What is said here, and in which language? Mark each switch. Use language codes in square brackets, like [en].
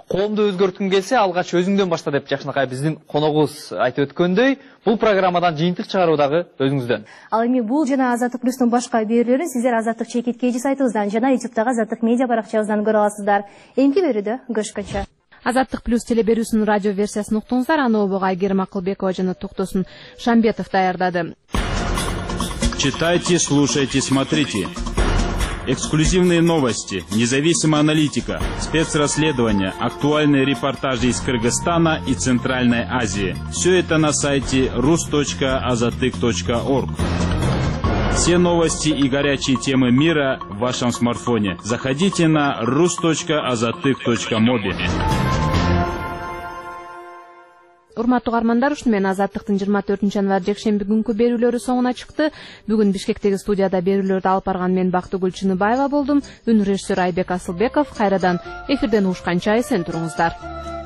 [ky] Коомду өзгөрткүң келсе алгач өзүңдөн башта деп жакшынакай биздин коногубуз айтып өткөндөй, бул программадан жыйынтык чыгаруудагы өзүңүздөн. Ал эми бул жана Азаттык плюстун башка берүүлөрүн сиздер Азаттык чекитке сайтыбыздан жана ютубтагы Азаттык медиа баракчабыздан көрө аласыздар. Эмки берүүдө көрүшкөнчө. Азаттык плюс телеберүүсүнүн радио версиясын уктуңуздар. Аны обого Айгерим Акылбекова жана Токтосун Шамбетов даярдады. [ru] Читайте, слушайте, смотрите. Эксклюзивные новости, независимая аналитика, спецрасследования, актуальные репортажи из Кыргызстана и Центральной Азии. Все это на сайте rus.azatyk.org. Все новости и горячие темы мира в вашем смартфоне. Заходите на rus.azatyk.mobi. [ky] Урматтуу каармандар, ушуну менен Азаттыктын 24-январ жекшемби күнкү берүүлөрү соңуна чыкты. Бүгүн Бишкектеги студияда берүүлөрдү алып барган мен Бактыгүл Чыныбаева болдум. Үн режиссер Айбек Асылбеков кайрадан эфирден ушканча эсен туруңуздар.